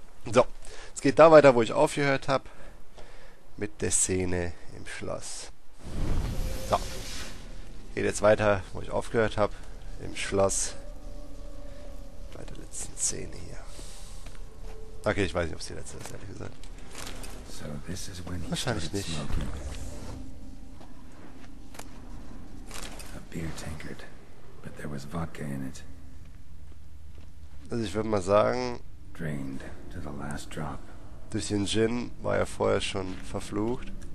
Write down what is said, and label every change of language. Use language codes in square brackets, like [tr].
[de] So, es geht da weiter, wo ich aufgehört habe, mit der Szene im Schloss. So, geht jetzt weiter, wo ich aufgehört habe, im Schloss, bei der letzten Szene hier. Okay, ich weiß nicht, ob es die letzte ist, ehrlich gesagt. Wahrscheinlich nicht. [en] Beer tankard, but there was vodka in it. [de] Also ich würde mal sagen, [en] drained to the last drop. [de] Durch den Gin war er vorher schon verflucht.